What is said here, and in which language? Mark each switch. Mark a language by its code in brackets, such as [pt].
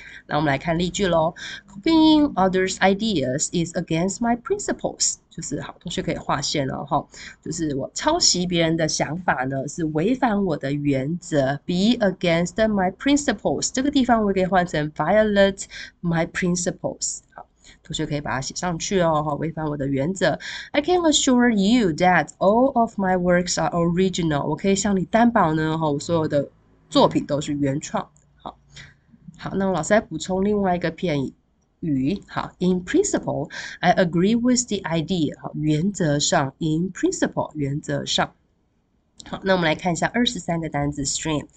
[zh] 那我们来看例句喽。 [en] Copying others' ideas is against my principles， [zh] 就是好，同学可以划线了哈，就是我抄袭别人的想法呢，是违反我的原则。 [en] Be against my principles， [zh] 这个地方我可以换成 [en] violate my principles。 [zh] 同学可以把它写上去哦，哈，违反我的原则。 [en] I can assure you that all of my works are original。 [zh] 我可以向你担保呢，哈，我所有的作品都是原创。好，那我老师再补充另外一个片语。 [en] 好，in principle, I agree with the idea。 [zh] 好，原则上， [en] in principle， [zh] 原则上。好，那我们来看一下23个单字 strain。